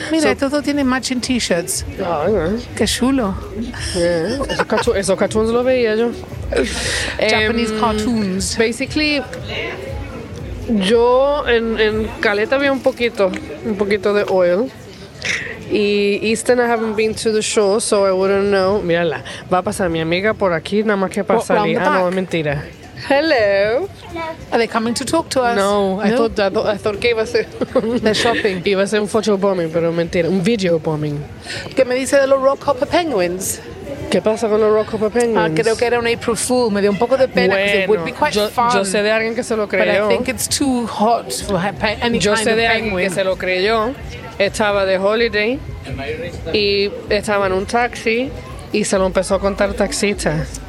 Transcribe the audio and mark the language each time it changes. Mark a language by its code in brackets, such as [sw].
[es] Mira, estos dos tienen [en] matching t-shirts. Ah, yeah. [es] Qué chulo. [en] Yeah. [es] Esos cartoons los veía yo. [en] Japanese cartoons. [es] Basically, yo en Caleta había un poquito de oil. [en] Y Easton, I haven't been to the show, so I wouldn't know. [es] Mírala, va a pasar mi amiga por aquí, nada más que para salir. Ah, no, es mentira. [en] Hello. Hello. Are they coming to talk to us? No, no. I thought [es] que iba a ser. [en] They're shopping. [es] Iba a ser un [en] photo bombing, [es] pero mentira, un [en] video bombing. [es] ¿Qué me dice de los rock hopper penguins? ¿Qué pasa con los rock hopper penguins? Creo que era un April Fool. Me dio un poco de pena. Bueno, [en] it would be quite fun. [es] Yo sé de alguien que se lo creyó. [en] But I think it's too hot for any kind of penguin. [es] Yo sé de alguien que se lo creyó. Estaba de holiday y estaba en un taxi y se lo empezó a contar taxista.